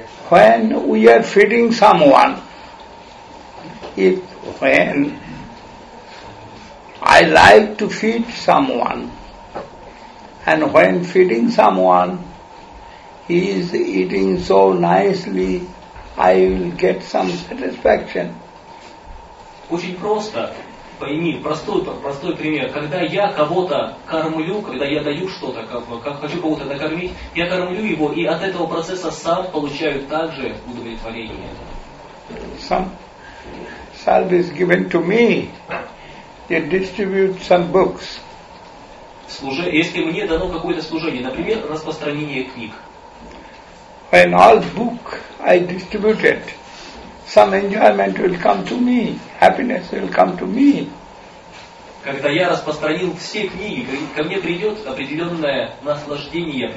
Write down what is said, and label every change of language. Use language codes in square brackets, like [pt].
[en] When we are feeding someone, when I like to feed someone, and when feeding someone, he is eating so nicely, I will get some satisfaction. [ru] Очень просто, пойми, простой пример. Когда я кого-то кормлю, когда я даю что-то, как хочу кого-то накормить, я кормлю его, и от этого процесса сам получаю также удовлетворение. Сам. [en] Service given to me, they distribute some books. [ru] Если мне дано какое-то служение, например, распространение книг. [en] When all book I distributed, some enjoyment will come to me, happiness will come to me. [ru] Когда я распространил все книги, ко мне придет определенное наслаждение.